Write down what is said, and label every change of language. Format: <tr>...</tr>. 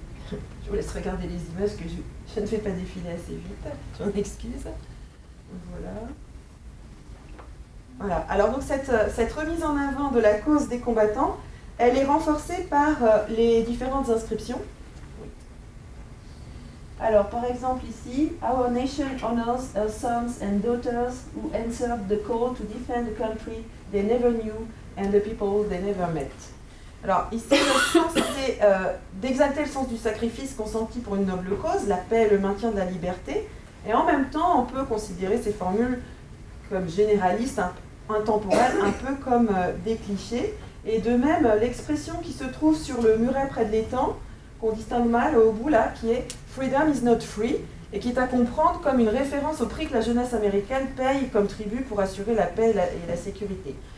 <fr>Je vous laisse regarder les images parce que je ne fais pas défiler assez vite. Je m'en excuse. Voilà. Voilà. Alors donc cette remise en avant de la cause des combattants, elle est renforcée par les différentes inscriptions. Oui. Alors par exemple ici,</fr> <en>our nation honors our sons and daughters who answered the call to defend the country they never knew and the people they never met.</en> <fr>Alors ici, le sens c'est d'exalter le sens du sacrifice consenti pour une noble cause, la paix, le maintien de la liberté. Et en même temps, on peut considérer ces formules comme généralistes, intemporelles, un peu comme des clichés. Et de même, l'expression qui se trouve sur le muret près de l'étang, qu'on distingue mal au bout là, qui est «</fr> <en>freedom is not free</en> <fr>», et qui est à comprendre comme une référence au prix que la jeunesse américaine paye comme tribut pour assurer la paix et la sécurité.</fr>